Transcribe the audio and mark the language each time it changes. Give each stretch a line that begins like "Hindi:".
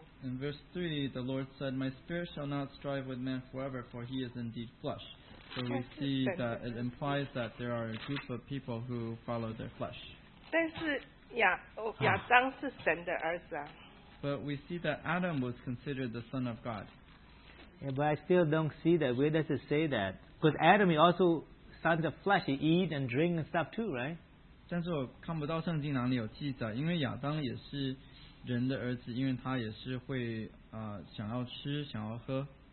English: In verse 3, the Lord said, "My spirit shall not strive with man forever, for he is indeed flesh." So we see that it implies that there are a group of people who follow their flesh.
Chinese: 但是亚当是神的儿子啊。
English: But we see that Adam was considered the son of God. Yeah, but I still don't see that. Where does it say that? Because Adam, he also sons of flesh. He eat and drink and stuff too, right?
Chinese: 但是我看不到圣经哪里有记载，因为亚当也是人的儿子，因为他也是会想要吃，想要喝。